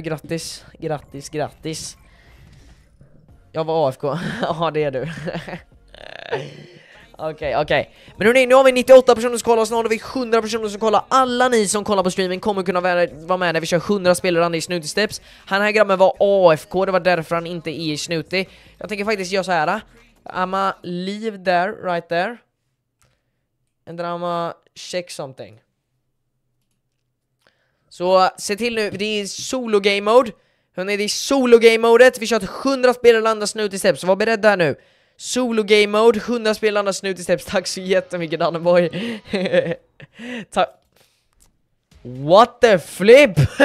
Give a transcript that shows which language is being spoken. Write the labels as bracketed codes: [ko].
[sv] Grattis. Jag var AFK, ja det är du. Okej. Men hörni, nu har vi 98 personer som kollar. Sen har vi 100 personer som kollar. Alla ni som kollar på streamen kommer kunna vara med när vi kör 100 spelare i Snooty Steps. Han här grabben var AFK. Det var därför han inte är Snooty. Jag tänker faktiskt göra så här. [en] I'ma leave there, right there. And then I'ma check something. [sv] Så se till nu. Det är solo game mode. Hörni, det är solo game modet. Vi kör 100 spelare i Snooty Steps. Så var beredd där nu. Solo game mode, 100 spelarna snut i steps. Tack så jättemycket, Danneboy. Tack. [en] What the flip?